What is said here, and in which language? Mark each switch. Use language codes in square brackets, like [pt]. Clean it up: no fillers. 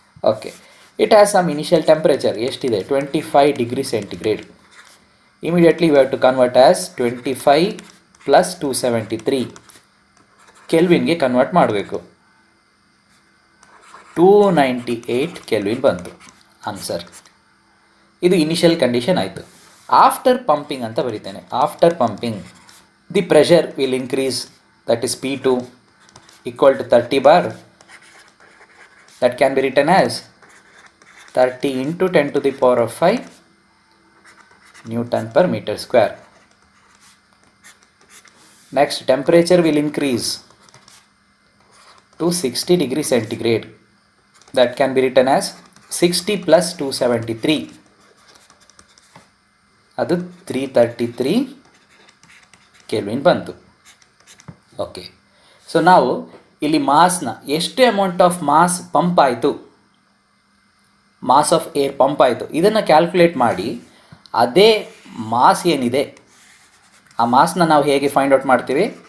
[en] okay, it has some initial temperature [kn] ಎಷ್ಟಿದೆ? [en] 25 degree centigrade. Immediately we have to convert as 25 + 273 [kn] ಕೆಲ್ವಿನ್ಗೆ convert ಮಾಡಬೇಕು. 298 kelvin ಬಂತು answer. ಇದು initial condition ಆಯಿತು. [en] After pumping [kn] anta [en] baritene, after pumping the pressure will increase, that is P2 equal to 30 bar, that can be written as 30 into 10 to the power of 5 newton per meter square. Next temperature will increase to 60 degree centigrade, that can be written as 60 + 273. [kn] ಅದು 333 kelvin ಬಂತು. Okay, so ನಾವು ಇಲ್ಲಿ ಮಾಸ್ನ ಎಷ್ಟು [en] amount of mass pump [kn] ಆಯಿತು, [en] mass of air pump [kn] ಆಯಿತು, ಇದನ್ನು calculate ಮಾಡಿ ಅದೇ ಮಾಸ್ ಏನಿದೆ ಆ ಮಾಸ್ನ ನಾವು ಹೇಗೆ [en] find out [kn] ಮಾಡ್ತೀವಿ?